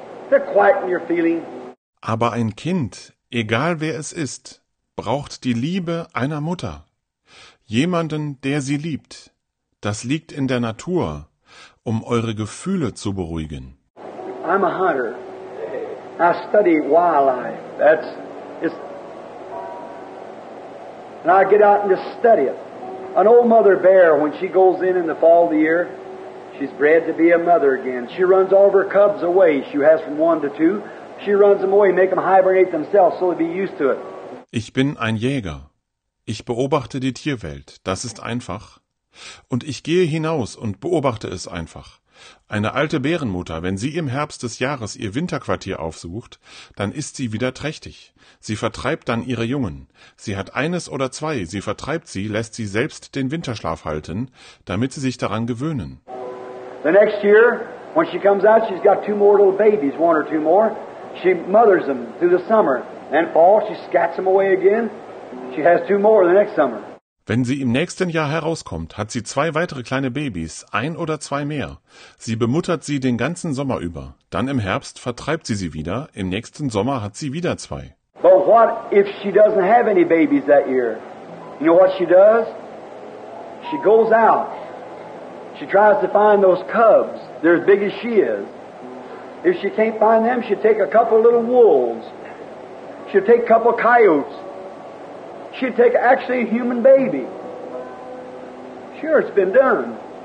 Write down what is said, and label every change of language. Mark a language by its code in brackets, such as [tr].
[en] They're quiet in your feeling. [de] Aber ein Kind, egal wer es ist, braucht die Liebe einer Mutter. Jemanden, der sie liebt. Das liegt in der Natur, um eure Gefühle zu beruhigen. [en] I'm a hunter. I study wildlife. That's it. And I get out and just study it. An old mother bear, when she goes in the fall of the year, she's bred to be a mother again. She runs all of her cubs away. She has from one to two. She runs them away, make them hibernate themselves, so they'll be used to it. [de] Ich bin ein Jäger. Ich beobachte die Tierwelt. Das ist einfach. Und ich gehe hinaus und beobachte es einfach. Eine alte Bärenmutter, wenn sie im Herbst des Jahres ihr Winterquartier aufsucht, dann ist sie wieder trächtig. Sie vertreibt dann ihre Jungen. Sie hat eines oder zwei. Sie vertreibt sie, lässt sie selbst den Winterschlaf halten, damit sie sich daran gewöhnen. [en] The next year, when she comes out, she's got two more little babies, one or two more. She mothers them through the summer. And fall, she scats them away again. She has two more the next summer. [de] Wenn sie im nächsten Jahr herauskommt, hat sie zwei weitere kleine Babys, ein oder zwei mehr. Sie bemuttert sie den ganzen Sommer über. Dann im Herbst vertreibt sie sie wieder. Im nächsten Sommer hat sie wieder zwei. [en] But what if she doesn't have any babies that year? You know what she does? She goes out. She tries to find those cubs. They're as big as she is. If she can't find them, she'll take a couple little wolves. She'll take a couple coyotes. She'd take actually a human baby. Sure, it's been done.